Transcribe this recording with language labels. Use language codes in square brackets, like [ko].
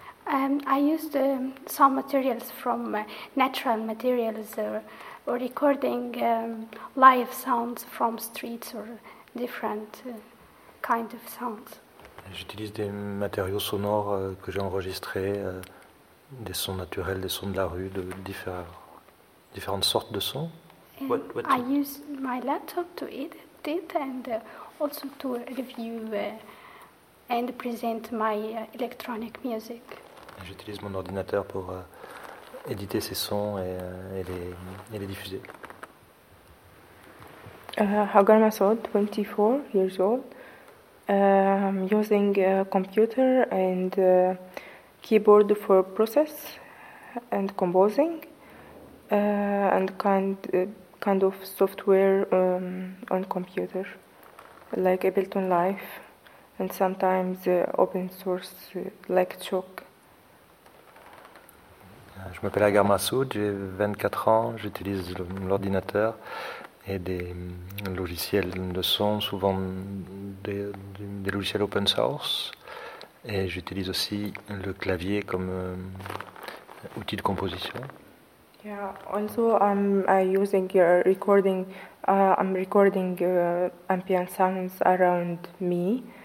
[en] I used some materials from natural materials or recording live sounds from streets or different kind of sounds. [fr] J'utilise des matériaux sonores que j'ai enregistrés, des sons naturels, des sons de la rue, de différentes sortes de sons. [en] I use my laptop to edit it and also to review and present my electronic music. [fr] J'utilise mon ordinateur pour éditer ces sons et les diffuser. [en] Hagar Masoud, 24 years old. I'm using a computer and a keyboard for process and composing and kind of software on computer, like Ableton Live and sometimes open source like Chalk. [fr] Je m'appelle Hagar Masoud, j'ai 24 ans, j'utilise l'ordinateur et des logiciels de son, souvent des logiciels open source. Et j'utilise aussi le clavier comme outil de composition. [en] Yeah, also I'm recording ambient sounds around me.